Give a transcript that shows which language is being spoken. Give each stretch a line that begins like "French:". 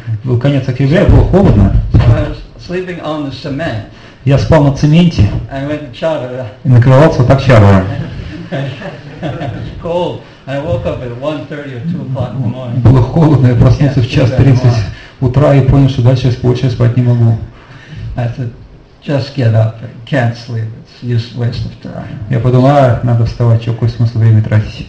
Russian: Был конец октября, было холодно.
English: So I was sleeping on the cement.
Russian: Я спал на цементе.
English: I went to chadar.
Russian: И накрывался так чадром.
English: It was cold. I woke up at 1:30 or 2:00 in the morning.
Russian: Было холодно, я проснулся в 1:30 утра и понял, что дальше больше спать не могу.
English: I said, just get up, I can't sleep. It's a waste of time.
Russian: Я подумал, надо вставать, что какой смысл время тратить?